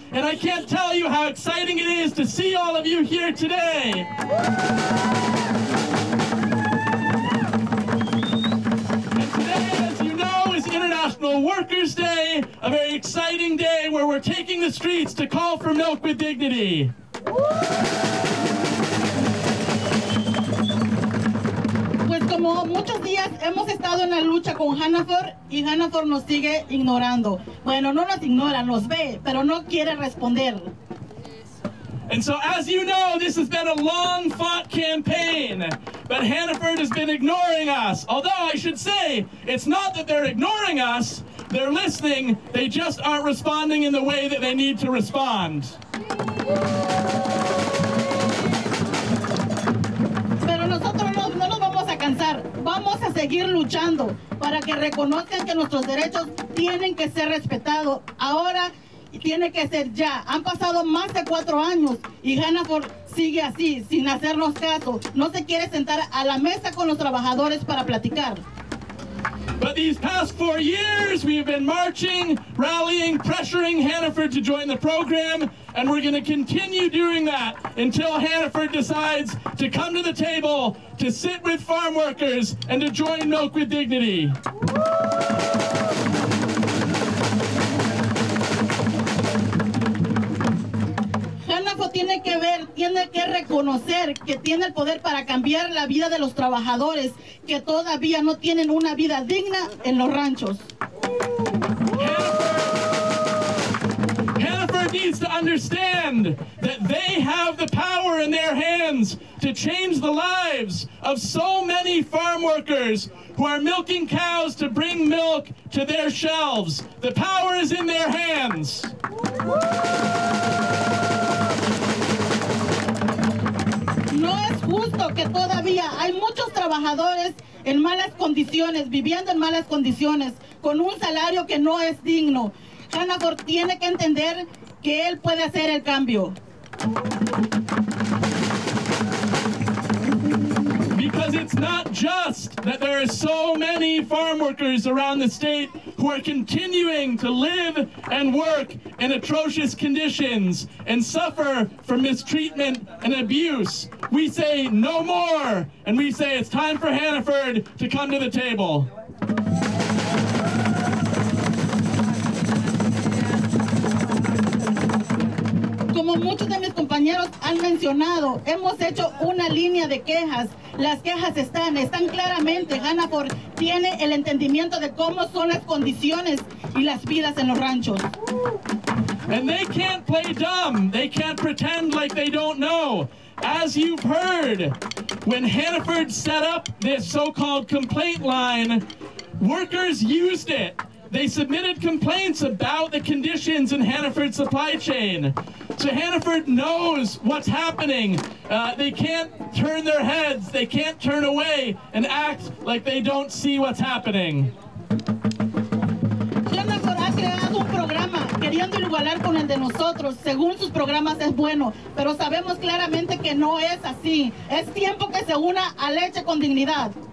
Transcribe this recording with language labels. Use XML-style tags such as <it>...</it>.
<en>And I can't tell you how exciting it is to see all of you here today. International Workers' Day, a very exciting day where we're taking the streets to call for milk with dignity.</en> <es>Pues como muchos días hemos estado en la lucha con Hannaford y Hannaford nos sigue ignorando. Bueno, no nos ignora, nos ve, pero no quiere responder.</es> <en>And so as you know, this has been a long fought campaign, but Hannaford has been ignoring us. Although I should say, it's not that they're ignoring us, they're listening, they just aren't responding in the way that they need to respond.</en> <es>Pero nosotros no nos vamos a cansar, vamos a seguir luchando para que reconozcan que nuestros derechos tienen que ser respetados ahora. Tiene que ser ya. Han pasado más de 4 años y Hannaford sigue así, sin hacernos caso. No se quiere sentar a la mesa con los trabajadores para platicar.</es> <en>But these past 4 years, we've been marching, rallying, pressuring Hannaford to join the program, and we're going to continue doing that until Hannaford decides to come to the table, to sit with farm workers, and to join Milk with Dignity.</en> <es>Tiene que ver, tiene que reconocer que tiene el poder para cambiar la vida de los trabajadores que todavía no tienen una vida digna en los ranchos.</es> <en>Hannaford needs to understand that they have the power in their hands to change the lives of so many farm workers who are milking cows to bring milk to their shelves. The power is in their hands.</en> <es>Justo que todavía hay muchos trabajadores en malas condiciones, viviendo en malas condiciones, con un salario que no es digno. Hannaford tiene que entender que él puede hacer el cambio.</es> <en>Because it's not just that there are so many farm workers around the state who are continuing to live and work in atrocious conditions and suffer from mistreatment and abuse. We say no more, and we say it's time for Hannaford to come to the table.</en> <es>Como muchos de mis compañeros han mencionado, hemos hecho una línea de quejas. Las quejas están claramente. Hannaford tiene el entendimiento de cómo son las condiciones y las vidas en los ranchos.</es> <en>And they can't play dumb. They can't pretend like they don't know. As you've heard, when Hannaford set up this so-called complaint line, workers used it. They submitted complaints about the conditions in Hannaford's supply chain. So Hannaford knows what's happening. They can't turn their heads, they can't turn away and act like they don't see what's happening.</en> <es>Hannaford ha creado un programa queriendo igualar con el de nosotros. Según sus programas es bueno, pero sabemos claramente que no es así. Es tiempo que se una a Leche con Dignidad.</es>